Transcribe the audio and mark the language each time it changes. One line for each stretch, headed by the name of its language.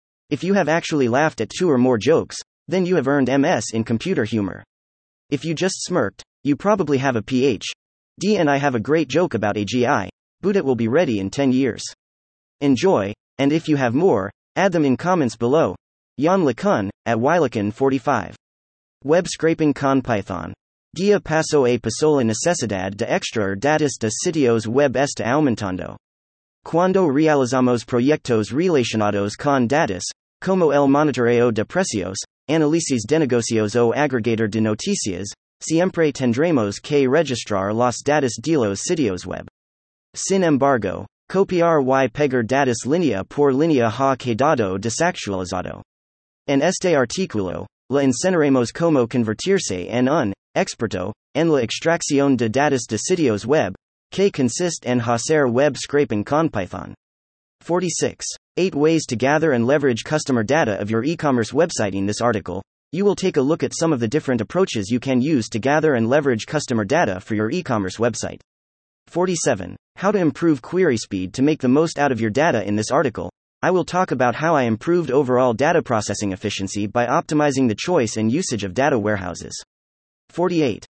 English: If you have actually laughed at two or more jokes, then you have earned MS in computer humor. If you just smirked, you probably have a PhD, and I have a great joke about AGI, but it will be ready in 10 years. Enjoy, and if you have more, add them in comments below.
Spanish: Yan LeCun, at Wylacun 45. Web scraping con Python. Día paso a paso la necesidad de extraer datos de sitios web está aumentando. Cuando realizamos proyectos relacionados con datos, como el monitoreo de precios, análisis de negocios o agregador de noticias, siempre tendremos que registrar los datos de los sitios web. Sin embargo, copiar y pegar datos línea por línea ha quedado desactualizado. En este artículo, le enseñaremos cómo convertirse en un experto en la extracción de datos de sitios web, que consiste en hacer web scraping con Python.
English: 46. 8 ways to gather and leverage customer data of your e-commerce website. In this article, you will take a look at some of the different approaches you can use to gather and leverage customer data for your e-commerce website. 47. How to improve query speed to make the most out of your data. In this article, I will talk about how I improved overall data processing efficiency by optimizing the choice and usage of data warehouses. 48.